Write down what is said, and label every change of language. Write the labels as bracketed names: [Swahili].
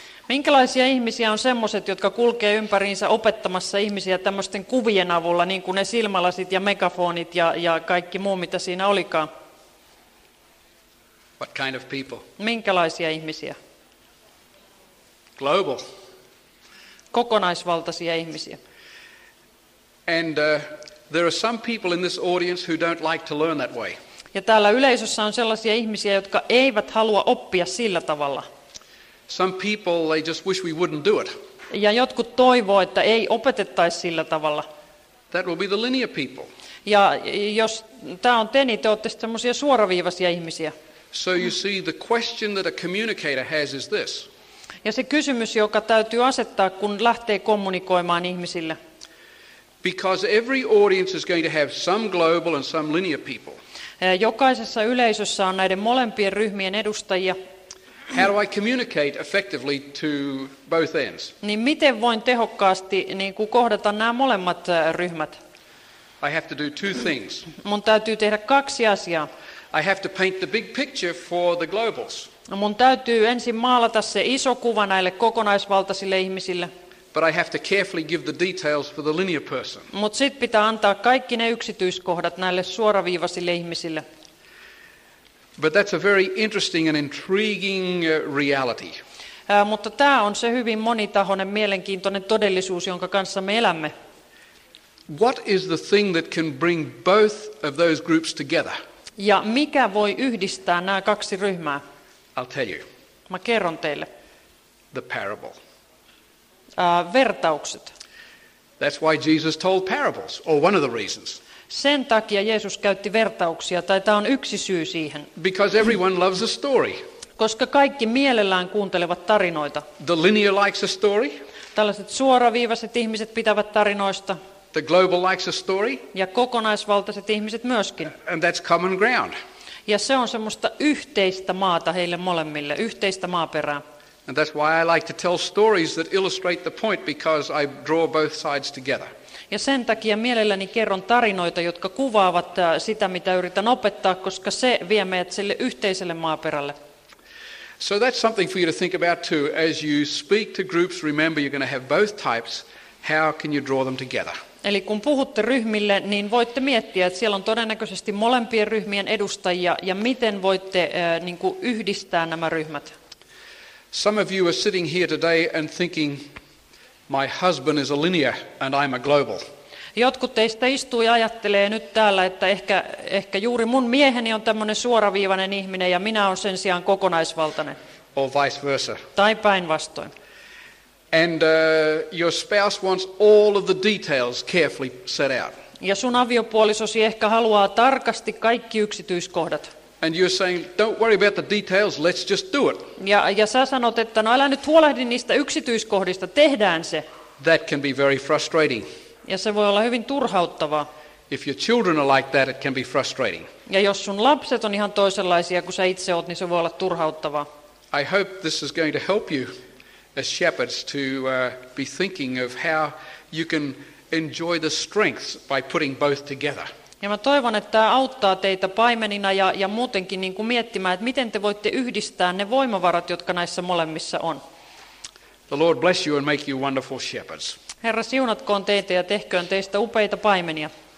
[Finnish] Minkälaisia ihmisiä on semmoiset, jotka kulkee ympäriinsä opettamassa ihmisiä tämmöisten kuvien avulla, niin kuin ne silmälasit ja megafonit ja kaikki muu, mitä siinä olikaan? [English] What kind of people? [Finnish] Minkälaisia ihmisiä? [English] Global. [Finnish] Kokonaisvaltaisia ihmisiä. [English] And there are some people in this audience who don't like to learn that way. [Finnish] Ja täällä yleisössä on sellaisia ihmisiä, jotka eivät halua oppia sillä tavalla. [English] Some people they just wish we wouldn't do it. [Finnish] Ja jotkut toivoo, että ei opetettaisi sillä tavalla. [English] That will be the linear people. [Finnish] Ja jos tämä on te, niin te olette semmoisia suoraviivaisia ihmisiä. [English] So you see, the question that a communicator has is this. [Finnish] Ja se kysymys, joka täytyy asettaa, kun lähtee kommunikoimaan ihmisille. [English] Because every audience is going to have some global and some linear people. [Finnish] Jokaisessa yleisössä on näiden molempien ryhmien edustajia. [English] How do I communicate effectively to both ends? [Finnish] Niin miten voin tehokkaasti niin kuin kohdata nämä molemmat ryhmät? [English] I have to do two things. [Finnish] Mun täytyy tehdä kaksi asiaa. [English] I have to paint the big picture for the globals. [Finnish] Mun täytyy ensin maalata se iso kuva näille kokonaisvaltaisille ihmisille. [English] But I have to carefully give the details for the linear person. [Finnish] Mut sit pitää antaa kaikki ne yksityiskohdat näille suoraviivaisille ihmisille. [English] But that's a very interesting and intriguing reality. [Finnish] Mutta tää on se hyvin monitahoinen mielenkiintoinen todellisuus, jonka kanssa me elämme. [English] What is the thing that can bring both of those groups together? [Finnish] Ja mikä voi yhdistää nämä kaksi ryhmää? [English] I'll tell you. [Finnish] Mä kerron teille. [English] The parable. [Finnish] Vertaukset. [English] That's why Jesus told parables, or one of the reasons. [Finnish] Sen takia Jeesus käytti vertauksia, tai tämä on yksi syy siihen. [English] Because everyone loves a story. [Finnish] Koska kaikki mielellään kuuntelevat tarinoita. [English] The linear likes a story. [Finnish] Tällaiset suoraviivaiset ihmiset pitävät tarinoista. [English] The global likes a story. [Finnish] Ja kokonaisvaltaiset ihmiset myöskin. [English] And that's common ground. [Finnish] Ja se on semmoista yhteistä maata heille molemmille, yhteistä maaperää. [English] And that's why I like to tell stories that illustrate the point because I draw both sides together. [Finnish] Ja sen takia mielelläni kerron tarinoita, jotka kuvaavat sitä, mitä yritän opettaa, koska se vie meidät sille yhteiselle maaperälle. [English] So that's something for you to think about too. As you speak to groups, remember you're going to have both types. How can you draw them together? [Finnish] Eli kun puhutte ryhmille, niin voitte miettiä, että siellä on todennäköisesti molempien ryhmien edustajia ja miten voitte niin kuin yhdistää nämä ryhmät. [English] Some of you are sitting here today and thinking, my husband is a linear and I'm a global. [Finnish] Jotkut teistä istuu ja ajattelee nyt täällä, että ehkä juuri mun mieheni on tämmöinen suoraviivainen ihminen ja minä olen sen sijaan kokonaisvaltainen. [English] Or vice versa. [Finnish] Tai päinvastoin. [English] And your spouse wants all of the details carefully set out. [Finnish] Ja sun aviopuolisosi ehkä haluaa tarkasti kaikki yksityiskohdat. [English] And you're saying, don't worry about the details, let's just do it. [Finnish] Ja sä sanot, että no älä nyt huolehdi niistä yksityiskohdista, tehdään se. [English] That can be very frustrating. [Finnish] Ja se voi olla hyvin turhauttavaa. [English] If your children are like that, it can be frustrating. [Finnish] Ja jos sun lapset on ihan toisenlaisia kuin sä itse oot, niin se voi olla turhauttavaa. [English] I hope this is going to help you as shepherds to be thinking of how you can enjoy the strengths by putting both together. [Finnish] Ja mä toivon, että tämä auttaa teitä paimenina ja muutenkin niin kuin miettimään, että miten te voitte yhdistää ne voimavarat, jotka näissä molemmissa on. [English] The Lord bless you and make you wonderful shepherds. [Finnish] Herra, siunatkoon teitä ja tehköön teistä upeita paimenia.